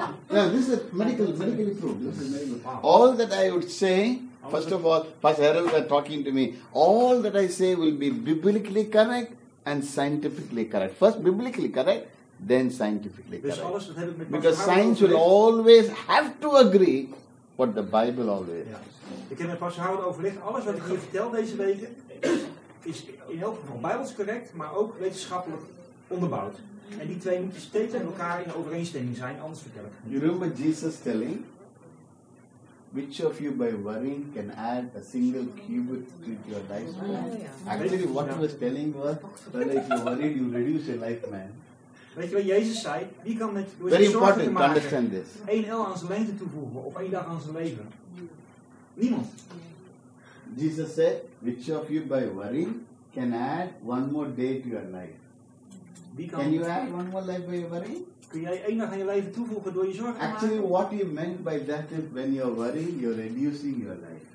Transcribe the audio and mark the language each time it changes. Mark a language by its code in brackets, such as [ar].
[en] No, this is medically proved. This is medical. All that I would say, first of all, Pastor Harold is talking to me. All that I say will be biblically correct and scientifically correct. First, biblically correct, then scientifically correct. Because science will always have to agree what the Bible always says. [nl] Ik heb met Pastor Harold overlegd. Alles wat ik hier vertel deze weken is in elk geval bijbels correct, maar ook wetenschappelijk onderbouwd. En die twee moeten steeds met elkaar in overeenstemming zijn, anders vertel ik [en] het. You remember Jesus telling, which of you by worrying can add a single cubit to your life span? Actually, what he was telling was, well, if you worry, you reduce your life span. [nl] Weet je wat Jezus zei? Wie kan met door zijn zorgen te maken, [en] understand this. [nl] 1 el aan zijn lengte toevoegen of 1 dag aan zijn leven? Niemand. [en] Jesus said, which of you by worrying can add one more day to your life? Can you add one more life by worrying? [nl] Kun jij één dag aan je leven toevoegen door je zorgen te maken? Actually, what he meant by that is when you're worrying, you're reducing your life.